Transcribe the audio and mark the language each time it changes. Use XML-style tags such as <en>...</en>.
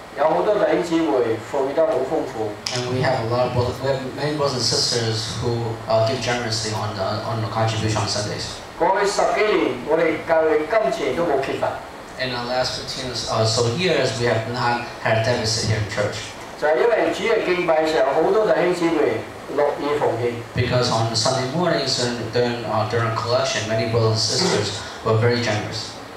<yue>有很多弟兄姊妹奉獻得很豐富。</yue> <en>And we have a lot of many brothers and sisters who give generously on the contribution on Sundays.</en> <yue>過去十幾年，我哋教會金錢都冇缺乏。</yue> <en>In the last 15 or so years, we have not had a deficit here in church.</en> <yue>就係因為主日敬拜時候，好多弟兄姊妹樂意奉獻。</yue> <en>Because on Sunday mornings and during collection, many brothers and sisters were very generous.</en>